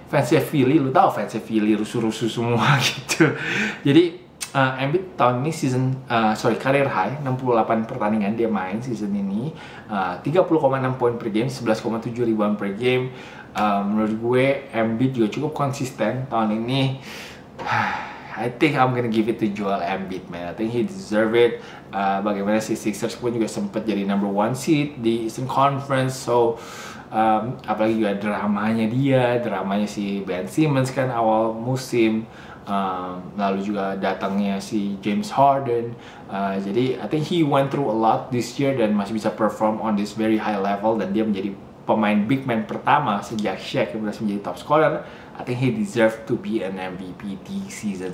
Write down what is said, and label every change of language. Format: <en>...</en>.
<id>Fansnya Philly, lu tau fansnya Philly rusuh-rusuh semua gitu. Jadi Embiid tahun ini career high 68 pertandingan dia main season ini. 30.6 poin per game, 11.7 rebound per game. Menurut gue Embiid juga cukup konsisten tahun ini.</id> <en>I think I'm gonna give it to Joel Embiid, man. I think he deserve it.</en> <id>Bagaimana si Sixers pun juga sempat jadi number one seed di Eastern Conference. So, apalagi juga dramanya dia, dramanya si Ben Simmons kan awal musim. Lalu juga datangnya si James Harden.</id> <en>Jadi, I think he went through a lot this year</en> <id>dan masih bisa</id> <en>perform on this very high level.</en> <id>Dan dia menjadi pemain big man pertama sejak Shaq yang berhasil menjadi top scorer.</id> <en>I think he deserve to be an MVP this season.</en>